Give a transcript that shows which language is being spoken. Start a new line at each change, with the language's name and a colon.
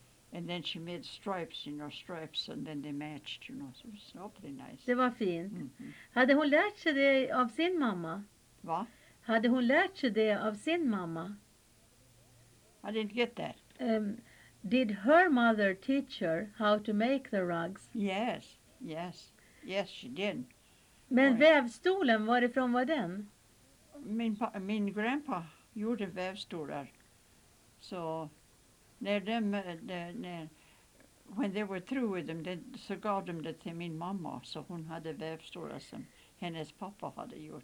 English: And then she made stripes, you know, stripes, and then they matched, you know, so it was pretty nice.
Swedish: Det var fint. Mm-hmm. Hade hon lärt sig det av sin mamma? Va? Hade hon lärt sig det av sin mamma?
English: I didn't get that. Did her mother teach her how to make the rugs? Yes, yes, yes, she did.
Swedish: Men vävstolen, varifrån var den? Min grandpa gjorde vävstolar, så... När de,
English: when they were through with them,
Swedish: så gav de det till min mamma, så hon hade vävstolar som hennes pappa hade gjort.